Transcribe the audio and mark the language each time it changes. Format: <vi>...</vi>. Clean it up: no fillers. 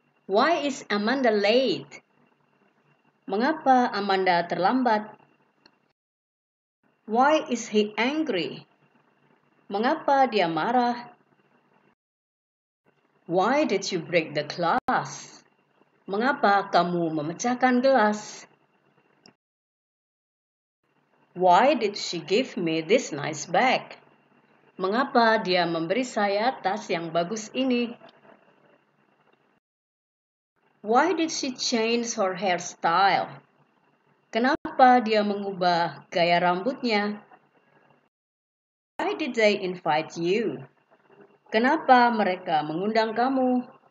<en>Why is Amanda late?</en> <id>Mengapa Amanda terlambat?</id> <en>Why is he angry?</en> <id>Mengapa dia marah?</id> <en>Why did you break the glass?</en> <id>Mengapa kamu memecahkan gelas?</id> <en>Why did she give me this nice bag?</en> <id>Mengapa dia memberi saya tas yang bagus ini?</id> <en>Why did she change her hairstyle?</en> <id>Kenapa dia mengubah gaya rambutnya?</id> <en>Why did they invite you?</en> <id>Kenapa mereka mengundang kamu?</id>